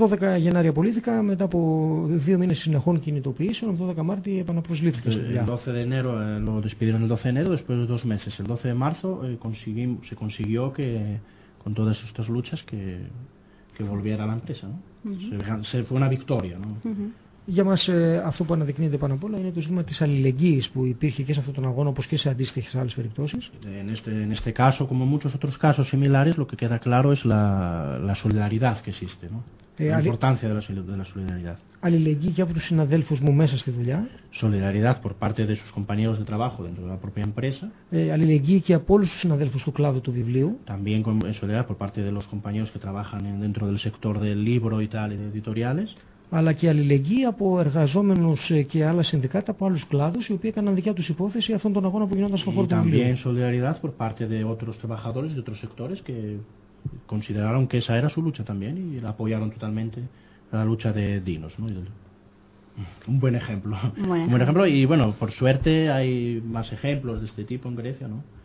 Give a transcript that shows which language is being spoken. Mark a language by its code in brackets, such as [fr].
[el] 12 Γενάρη απολύθηκα, μετά από 2 μήνες συνεχών κινητοποιήσεων, 12 Μάρτη επαναπροσλήφθηκα. [es] El 12 de enero, lo despidieron el 12 de enero, después de 2 meses. El 12 de marzo se consiguió que, con todas estas luchas, que volviera a la empresa, ¿no? Mm-hmm. Se fue una victoria, ¿no? Mm-hmm. [el] Για μας αυτό που αναδεικνύεται πάνω απ' όλα είναι το ζήτημα της αλληλεγγύης που υπήρχε και σε αυτόν τον αγώνα όπως και σε αντίστοιχες άλλες περιπτώσεις. [es] En este caso, como muchos otros casos similares, lo que queda claro es la solidaridad que existe, ¿no? La importancia de la solidaridad. [el] Αλληλεγγύη και από τους συναδέλφους μου μέσα στη δουλειά. [es] Solidaridad por parte de sus compañeros de trabajo dentro de la propia empresa. [el] Αλληλεγγύη και από όλους τους συναδέλφους του κλάδου του βιβλίου. [es] También solidaridad por parte de los compañeros que trabajan dentro del sector del libro y tal, de editoriales. [el] Αλλά και αλληλεγγύη από εργαζόμενους και άλλα συνδικάτα από άλλους κλάδους οι οποίοι έκαναν δικιά τους υπόθεση αυτόν τον αγώνα που γινόταν στον χώρο του βιβλίου. [es] Y también solidaridad por parte de otros trabajadores de otros sectores que consideraron que esa era su lucha también y apoyaron totalmente la lucha de Dinos, ¿no? Un buen ejemplo. Un buen ejemplo. Y bueno, por suerte hay más ejemplos de este tipo en Grecia, ¿no?